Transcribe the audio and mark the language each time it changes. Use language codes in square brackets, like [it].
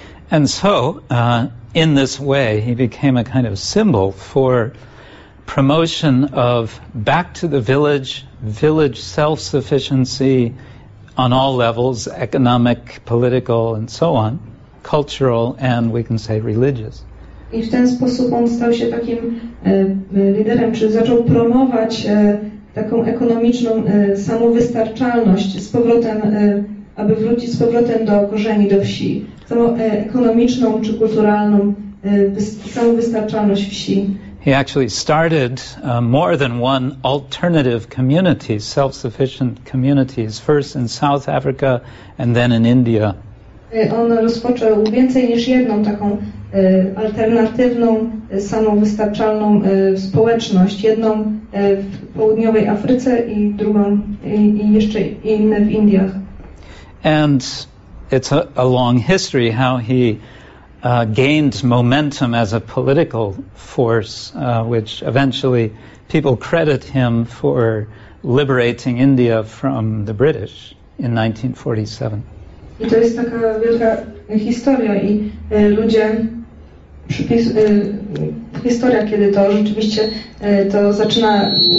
[en] And so in this way he became a kind of symbol for promotion of back to the village self-sufficiency on all levels, economic, political, and so on, cultural, and we can say religious. [pl] I w ten sposób on stał się takim liderem, czy zaczął promować taką ekonomiczną samowystarczalność z powrotem, aby wrócić z powrotem do korzeni, do wsi. Ekonomiczną czy kulturalną samowystarczalność wsi. [en] He actually started more than one alternative community, self-sufficient communities, first in South Africa and then in India. [pl] On rozpoczął więcej niż jedną taką alternatywną, samowystarczalną społeczność. Jedną w południowej Afryce i drugą i jeszcze inne w Indiach. [en] And it's a long history how he gained momentum as a political force, which eventually people credit him for liberating India from the British in 1947. [pl] I to jest taka wielka historia i ludzie historia, kiedy to rzeczywiście to zaczyna